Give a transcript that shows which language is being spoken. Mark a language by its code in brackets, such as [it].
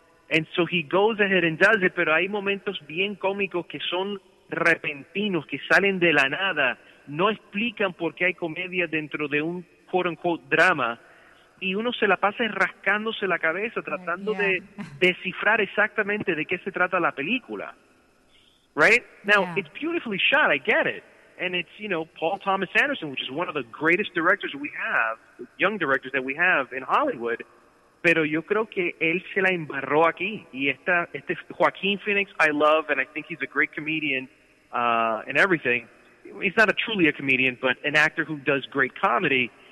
[en] And so he goes ahead and does it, [es] pero hay momentos bien cómicos que son repentinos, que salen de la nada, no explican por qué hay comedia dentro de un quote-unquote drama, y uno se la pasa rascándose la cabeza, tratando de descifrar exactamente de qué se trata la película. Right? [en] Now, it's beautifully shot, I get it. And it's, you know, Paul Thomas Anderson, which is one of the greatest directors we have, young directors that we have in Hollywood. [es] Pero yo creo que él se la embarró aquí. Y este [en] Joaquin Phoenix, I love, and I think he's a great comedian and everything. He's not truly a comedian, but an actor who does great comedy.